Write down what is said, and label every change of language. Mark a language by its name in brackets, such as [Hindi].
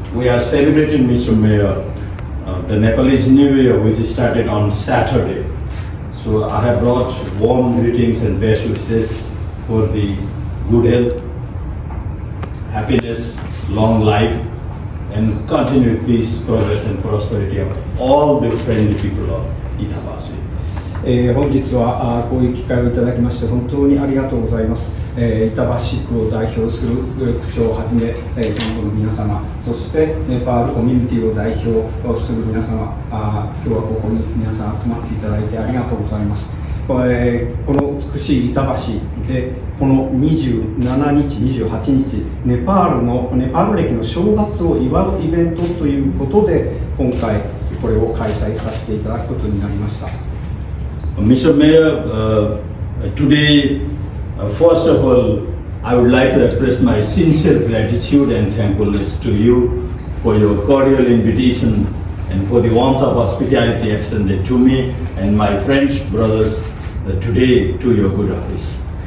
[English] We are celebrating, Mr. Mayor, the Nepalese New Year, which started on Saturday. So I have brought warm greetings and best wishes for the good health, happiness, long life. And continued peace, progress, and prosperity of all the friendly people of Itabashi. [Japanese] 本日はこういう機会をいただきまして本当にありがとうございます。板橋区を代表する区長をはじめ、県の皆様、そしてネパールコミュニティを代表する皆様、今日はここに皆さん集まっていただいてありがとうございます。この美しい板橋でこの27日28日、ネパール暦の正月を祝うイベントということで今回これを開催させていただくことになりました。 [English] Mr. Mayor, today, first of all, I would like to express my sincere gratitude and thankfulness to you for your cordial invitation and for the warmth of hospitality extended to me and my French brothers today to your good office.